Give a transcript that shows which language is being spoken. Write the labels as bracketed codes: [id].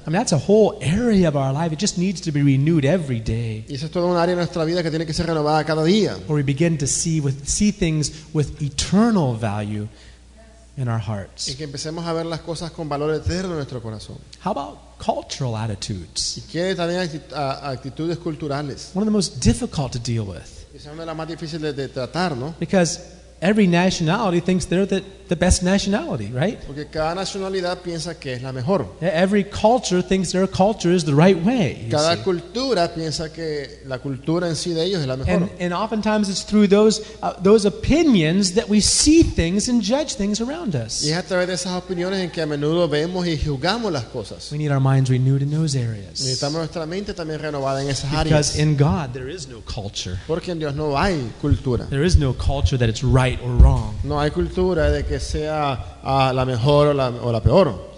[en] I mean, that's a whole area of our life. It just needs to be renewed every day. [es] Y eso es toda un área de nuestra vida que tiene que ser renovada cada día. [en] Or we begin to see things with eternal value in our hearts. [es] Y que empecemos a ver las cosas con valor eterno en nuestro corazón. [en] How about cultural attitudes? [es] Y qué también actitudes culturales. [en] One of the most difficult to deal with. [es] Es una de las más difíciles de tratar, ¿no? [en] Because every nationality thinks they're the best nationality, right? [es] Porque cada nacionalidad piensa que es la mejor. [en] Every culture thinks their culture is the right way. [es] Cada cultura piensa que la cultura en sí de ellos es la mejor. [en] And oftentimes it's through those opinions that we see things and judge things around us. [es] Y es a través de esas opiniones en que a menudo vemos y juzgamos las cosas. [en] We need our minds renewed in those areas. [es] Necesitamos nuestra mente también renovada en esas áreas. [en] Because in God there is no culture. [es] Porque en Dios no hay cultura. [en] There is no culture that it's right or wrong. [es] No hay cultura de que sea la mejor o la peor.